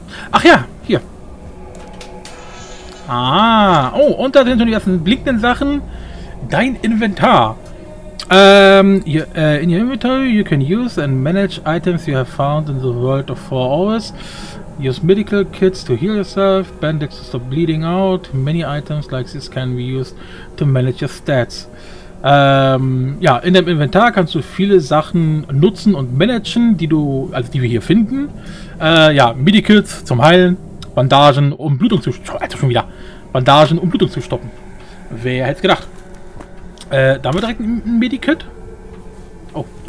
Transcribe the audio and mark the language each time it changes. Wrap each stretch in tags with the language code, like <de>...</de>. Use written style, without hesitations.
<de>Ach ja, hier. Ah, oh, und da sind schon die ersten blinkenden Sachen. Dein Inventar.</de> <en>In your inventory you can use and manage items you have found in the world of 4 hours. Use medical kits to heal yourself, bandages to stop bleeding out. Many items like this can be used to manage your stats.</en> <de>Ja, in deinem Inventar kannst du viele Sachen nutzen und managen, die wir hier finden. Ja, Medikits zum Heilen, Bandagen, um Blutung zu stoppen. Also schon wieder. Bandagen, um Blutung zu stoppen. Wer hätte es gedacht? Damit direkt ein Medikit. Oh.</de>